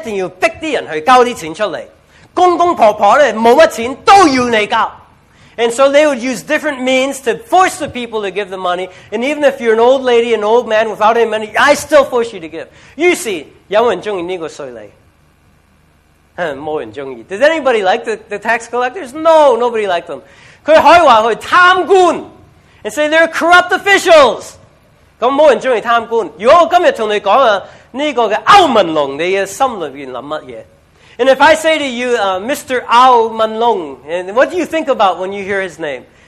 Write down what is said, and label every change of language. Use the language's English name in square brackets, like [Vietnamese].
[Chinese] 於是他可能不擇手段,就一定要逼人去交錢出來.公公婆婆,沒什麼錢,都要你交. [English] And so they would use different means to force the people to give the money. And even if you're an old lady, an old man without any money, I still force you to give. [Chinese] 於是,有沒有人喜歡這個稅吏? 沒有人喜歡. [English] Does anybody like the tax collectors? No, nobody liked them. [Chinese] 他可以說他是貪官. [English] And say they're corrupt officials. [Chinese] 那沒有人喜歡貪官. 如果我今天跟你說,這個歐文龍,你心裡想什麼? [English] And if I say to you, Mr. Ao Men Long, and what do you think about when you hear his name?